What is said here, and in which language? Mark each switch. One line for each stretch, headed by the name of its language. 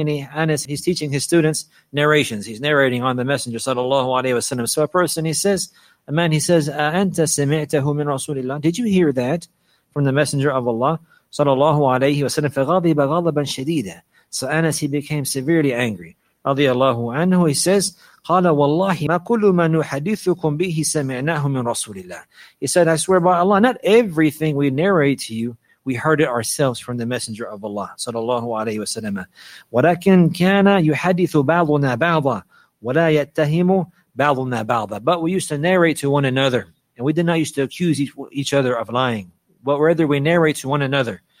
English: And Anas, he's teaching his students narrations. He's narrating on the Messenger
Arabic: صَلَى اللَّهُ عَلَيْهِ وَسَلَّمَ.
English: So a man, he says,
Arabic: أَنْتَ سَمِعْتَهُ مِنْ رَسُولِ اللَّهِ.
English: Did you hear that from the Messenger of Allah
Arabic: صَلَى اللَّهُ عَلَيْهِ وَسَلَّمَ. فَغَضِبَ غَضَبًا شَدِيدًا.
English: So Anas, he became severely angry.
Arabic: رضي الله عنه,
English: he says,
Arabic: قال والله ما كل ما نحدثكم به سمعناه من رسول الله.
English: He said, I swear by Allah, not everything we narrate to you, we heard it ourselves from the Messenger of Allah sallallahu alayhi wa sallam.
Arabic: وَلَكِنْ كَانَ يُحَدِّثُ بَعْضُنَا بَعْضًا وَلَا يَتَّهِمُ بَعْضُنَا بَعْضًا.
English: But we used to narrate to one another, and we did not used to accuse each other of lying, but rather we narrate to one another.